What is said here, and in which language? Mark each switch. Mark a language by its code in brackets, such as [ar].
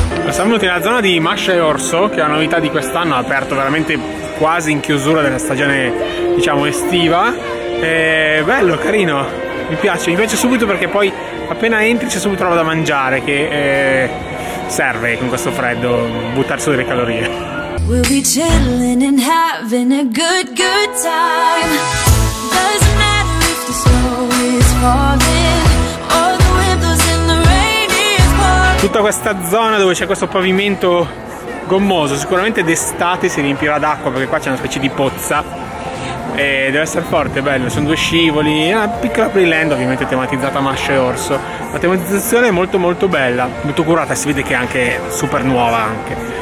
[it] Siamo venuti nella zona di Masce Orso, che è la novità di quest'anno, aperto veramente quasi in chiusura della stagione, diciamo, estiva. È bello, carino, mi piace subito, perché poi appena entri c'è subito roba da mangiare, che serve con questo freddo, buttare su delle calorie. [en] We'll be chilling and having a good, good time. Doesn't matter if the snow is falling or the windows and the rain is pouring. [it] Tutta questa zona dove c'è questo pavimento gommoso, sicuramente d'estate si riempirà d'acqua, perché qua c'è una specie di pozza. E deve essere forte, bello, sono due scivoli, una piccola playland ovviamente tematizzata a Masce Orso. La tematizzazione è molto molto bella, molto curata, si vede che è anche super nuova anche.